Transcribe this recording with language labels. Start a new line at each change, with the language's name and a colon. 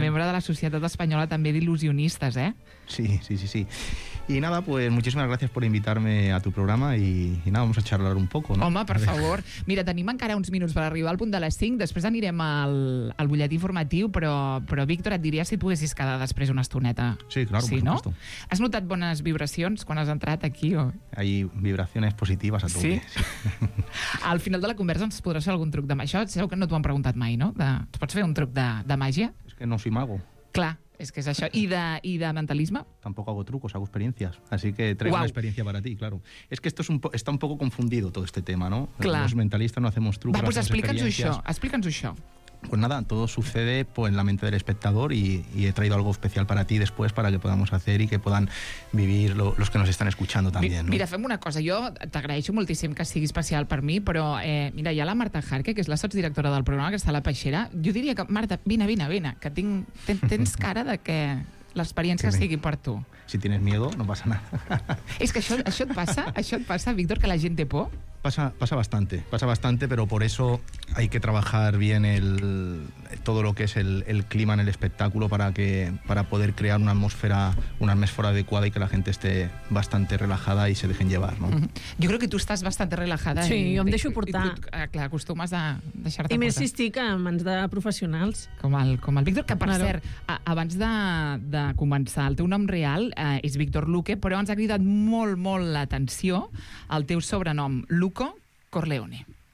Catalan: Membre de la Societat Espanyola també d'il·lusionistes, eh? Sí.
Spanish: Y nada, pues muchísimas gracias por invitarme a tu programa y nada, vamos a charlar un poco, ¿no?
Catalan: Home, per favor. Mira, tenim encara uns minuts per arribar al punt de les 5, després anirem al butlletí informatiu, però Víctor, et diria si et poguessis quedar després una estoneta.
Spanish: Sí, claro, sí, por supuesto.
Catalan: ¿No? Has notat bones vibracions quan has entrat aquí? O...
Spanish: Hay vibraciones positivas a tu.
Catalan: Sí? Al final de la conversa ens podràs fer algun truc de màgia. Sabeu que no t'ho han preguntat mai, no? Et pots fer un truc de màgia? És que
Spanish: no soy mago.
Catalan: Clar. És que és això. I de mentalisme?
Spanish: Tampoc hago trucos, hago experiencias. Así que traigo una experiencia para ti, claro. Es que esto está un poco confundido, todo este tema, ¿no? Claro. Los mentalistas no hacemos trucos, hacemos experiencias.
Catalan: Va, pues explica'ns això.
Spanish: Pues nada, todo sucede pues, en la mente del espectador y he traído algo especial para ti después para que podamos hacer y que puedan vivir los que nos están escuchando también.
Catalan: Mira, ¿no? Fem una cosa, jo t'agraeixo moltíssim que sigui especial per mi, però mira, hi ha la Marta Jarque, que és la sotsdirectora del programa, que està a la peixera. Jo diria que, Marta, vine, que tens cara de que l'experiència sigui per tu.
Spanish: Si tienes miedo, no pasa nada.
Catalan: És que això et passa, Víctor, que la gent té por?
Spanish: Pasa bastante, pero por eso hay que trabajar bien todo lo que es el clima en el espectáculo para poder crear una atmósfera adecuada y que la gente esté bastante relajada y se dejen llevar, ¿no? Yo creo que tú estás bastante relajada.
Catalan: Sí, jo em deixo portar. Clar, acostumes a deixar-te portar. I més si estic a mans de professionals. Com el Víctor, que per cert, abans de començar, el teu nom real és Víctor Luque, però ens ha cridat molt, molt l'atenció el teu sobrenom, Luco Corleone.